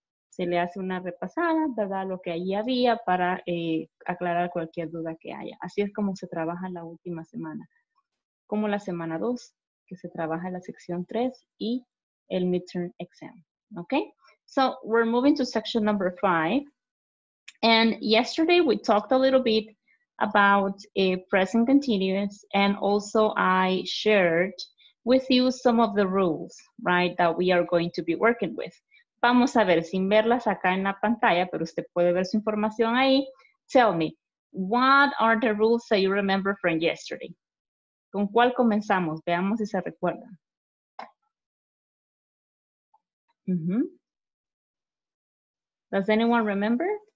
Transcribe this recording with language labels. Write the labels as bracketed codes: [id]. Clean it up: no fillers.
[es] Se le hace una repasada, ¿verdad? Lo que allí había para aclarar cualquier duda que haya. Así es como se trabaja la última semana. Como la semana 2, que se trabaja la sección 3 y el midterm exam. [en] ¿Ok? So, we're moving to section number 5. And yesterday we talked a little bit about a present continuous. And also I shared with you some of the rules, right, that we are going to be working with. [es] Vamos a ver, sin verlas acá en la pantalla, pero usted puede ver su información ahí. [en] Tell me, what are the rules that you remember from yesterday? [es] ¿Con cuál comenzamos? Veamos si se recuerdan. [en] Does anyone remember?